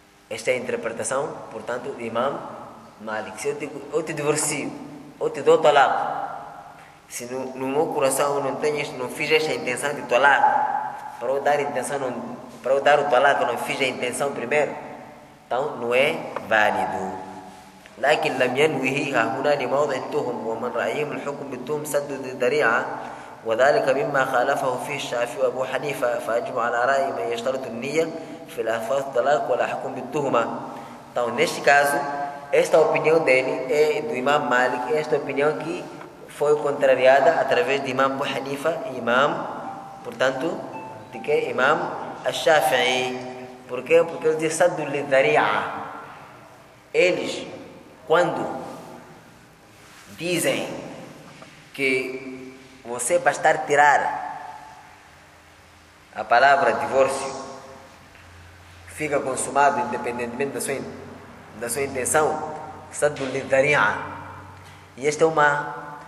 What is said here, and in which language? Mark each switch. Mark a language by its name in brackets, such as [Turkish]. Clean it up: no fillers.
[Portuguese] Esta é a interpretação, portanto, de Imam Malik. Se eu digo, eu te divorcio, eu te dou talaq. Se no meu coração eu não tenho, não fiz esta intenção de talaq, para eu dar o talaq, eu não fiz a intenção primeiro, então não é válido. [Arabic] لكن لم ينوه ها هنا لموضع التهم ومن رأيهم الحكم بالتهم سد الذريعة وذلك مما خالفه فيه الشافعي وابو حنيفه فاجمع على راي من يشترط النيه في الافاظ الطلاق ولا احكم بالتهمة. [Portuguese] Então, neste caso, esta opinião dele é do Imam Malik, esta opinião que foi contrariada através de Imam Abu Hanifa e Imam, portanto, de que Imam Ash-Shafi'i. Por quê? Porque ele diz Saddu al-Dhari'a. Eles, quando dizem que você bastar tirar a palavra divórcio, fica consumado independentemente da sua intenção, Saddu al-Dhari'a. E esta é uma.